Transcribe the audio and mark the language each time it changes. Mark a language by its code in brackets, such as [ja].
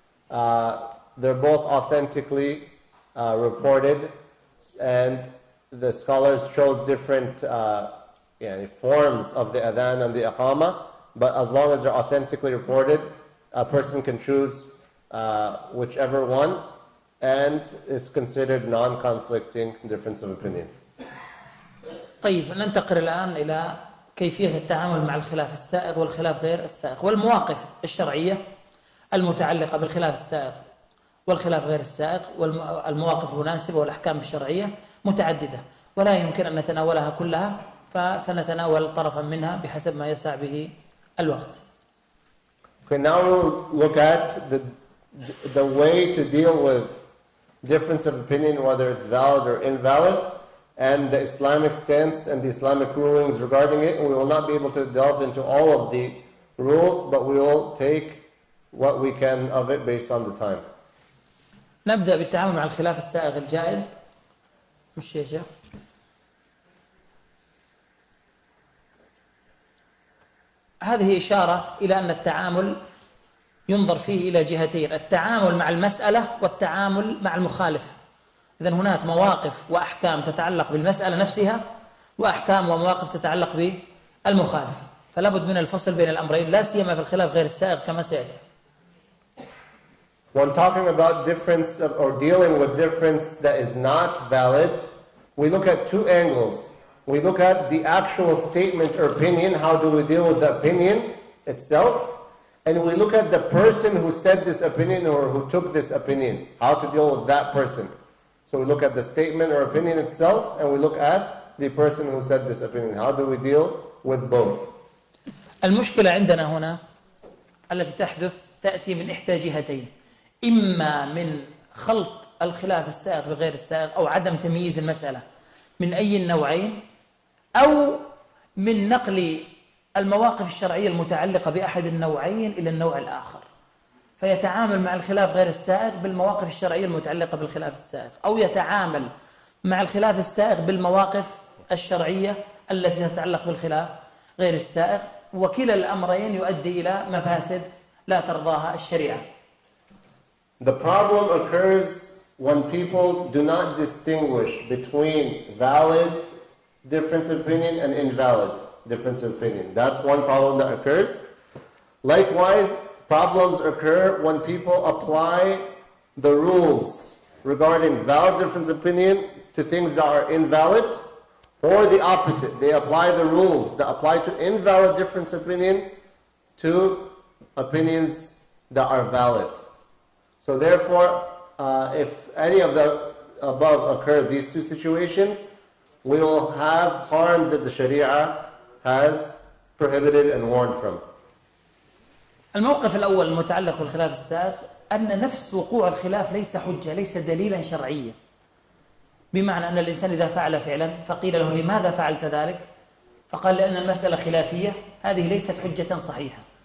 [en] They're both authentically reported, and the scholars chose different forms of the Adhan and the Iqama, but as long as they're authentically reported, a person can choose whichever one, and is considered non-conflicting difference of opinion. [ar] طيب ننتقل الآن إلى كيفية التعامل مع الخلاف السائغ والخلاف غير السائغ والمواقف الشرعية المتعلقة بالخلاف السائغ والخلاف غير السائغ والمواقف المناسبة والأحكام الشرعية متعددة ولا يمكن أن نتناولها كلها، فسنتناول طرفا منها بحسب ما يسع به الوقت. [en] Okay, now we'll look at the way to deal with difference of opinion, whether it's valid or invalid, and the Islamic stance and the Islamic rulings regarding it. We will not be able to delve into all of the rules, but we will take what we can of it based on the time. [ar] نبدأ بالتعامل مع الخلاف السائغ الجائز. مش يا شيخ. هذه إشارة إلى أن التعامل ينظر فيه إلى جهتين، التعامل مع المسألة والتعامل مع المخالف. إذن هناك مواقف وأحكام تتعلق بالمسألة نفسها، وأحكام ومواقف تتعلق بالمخالف، فلابد من الفصل بين الأمرين لا سيما في الخلاف غير السائغ كما سيأتي. [en] When talking about difference or dealing with difference that is not valid, we look at two angles. We look at the actual statement or opinion, how do we deal with the opinion itself? And we look at the person who said this opinion or who took this opinion, how to deal with that person. So we look at the statement or opinion itself, and we look at the person who said this opinion. How do we deal with both? [ar] المشكلة عندنا هنا التي تحدث تأتي من إحدى جهتين، إما من خلط الخلاف السائغ بغير السائغ أو عدم تمييز المسألة من أي النوعين، أو من نقل المواقف الشرعية المتعلقة بأحد النوعين إلى النوع الآخر، فيتعامل مع الخلاف غير السائغ بالمواقف الشرعية المتعلقة بالخلاف السائغ، أو يتعامل مع الخلاف السائغ بالمواقف الشرعية التي تتعلق بالخلاف غير السائغ، وكلا الأمرين يؤدي إلى مفاسد لا ترضاها الشريعة. [en] The problem occurs when people do not distinguish between valid difference of opinion and invalid difference of opinion. That's one problem that occurs. Likewise, problems occur when people apply the rules regarding valid difference of opinion to things that are invalid, or the opposite. They apply the rules that apply to invalid difference of opinion to opinions that are valid. So therefore, if any of the above occur, these two situations, we will have harms that the Sharia has prohibited and warned from. [ar] الموقف الأول المتعلق بالخلاف السائغ أن نفس وقوع الخلاف ليس حجة، ليس دليلا شرعيا، بمعنى أن الإنسان إذا فعل فعلا فقيل له لماذا فعلت ذلك، فقال لأن المسألة خلافية، هذه ليست حجة صحيحة،